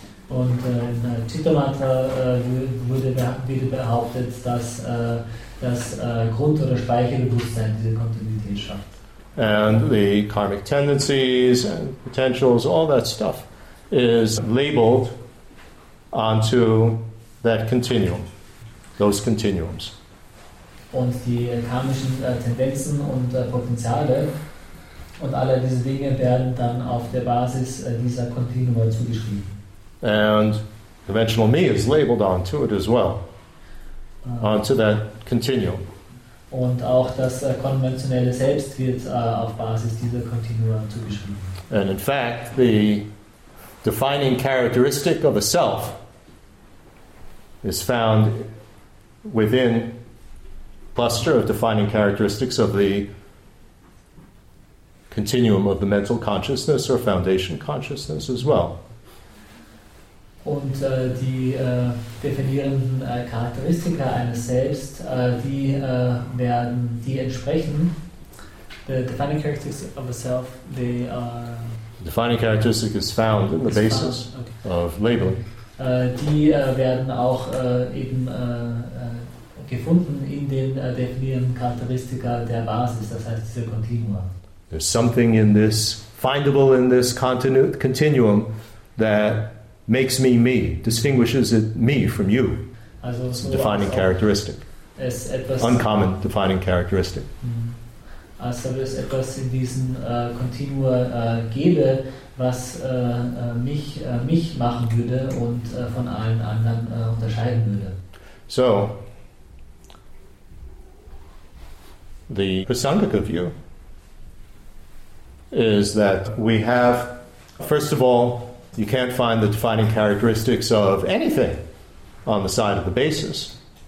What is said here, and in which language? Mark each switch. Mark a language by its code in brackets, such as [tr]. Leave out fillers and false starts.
[de] Und in Chittamatra wurde behauptet, dass das Grund- oder Speicherbewusstsein diese Kontinuität schafft. [en] And the karmic tendencies and potentials, all that stuff is labeled onto that continuum, those continuums. [de] Und die karmischen Tendenzen und Potenziale und alle diese Dinge werden dann auf der Basis dieser Kontinuum zugeschrieben. [en] And conventional me is labeled onto it as well, onto that continuum. [de] Und auch das konventionelle Selbst wird auf Basis dieser Kontinuum zugeschrieben. [en] And in fact, the defining characteristic of a self is found within cluster of defining characteristics of the continuum of the mental consciousness or foundation consciousness as well. [de] Und die definierenden Charakteristika eines Selbst, die werden, die entsprechen, [en] the defining characteristics of a self, they are... The defining characteristic is found in the basis okay. of labeling. [de] Die werden auch eben gefunden in den definierenden Charakteristika der Basis, das heißt dieser Kontinuum. [en] There's something in this, findable in this continuum that makes me me, distinguishes it me from you. [de] Also, [en] it's a defining characteristic. [de] Es etwas [en] uncommon defining characteristic. [de] Also es etwas in diesem Continuum gebe, was mich machen würde und von allen anderen unterscheiden würde. [en] So, the Prasangika view is that we have, first of all, you can't find the defining characteristics of anything on the side of the basis.